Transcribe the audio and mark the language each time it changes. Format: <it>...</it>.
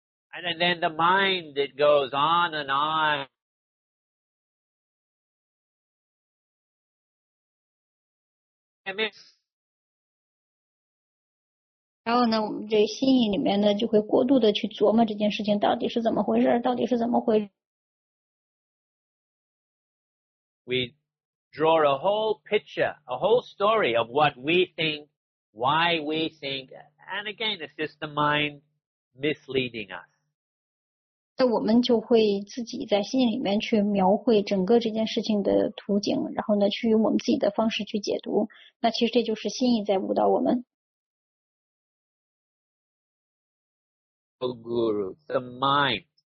<en>And then the mind, it goes on and on. And</en> <zh>然后呢我们这心意里面呢就会过度的去琢磨这件事情到底是怎么回事到底是怎么回事。</zh> <en>We draw a whole picture, a whole story of what we think why we think, and again, it's just the mind misleading us.</en> <zh>那我们就会自己在心里面去描绘整个这件事情的图景，然后呢，去用我们自己的方式去解读。那其实这就是心意在误导我们。假咕噜 ，</zh> <en>the mind。</en>